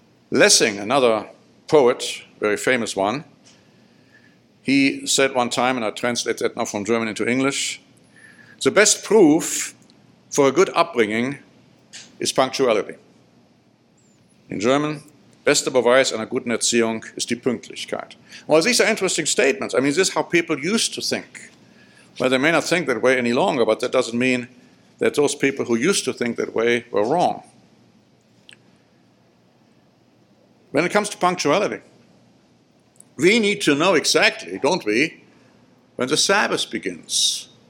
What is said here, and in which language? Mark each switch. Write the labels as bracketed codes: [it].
[en] Lessing, another poet, very famous one, he said one time, and I translate that now from German into English, "The best proof for a good upbringing is punctuality." In German, [de] "Beste Beweis einer guten Erziehung ist die Pünktlichkeit." [en] Well, these are interesting statements. I mean, this is how people used to think. Well, they may not think that way any longer, but that doesn't mean that those people who used to think that way were wrong. When it comes to punctuality, we need to know exactly, don't we, when the Sabbath begins.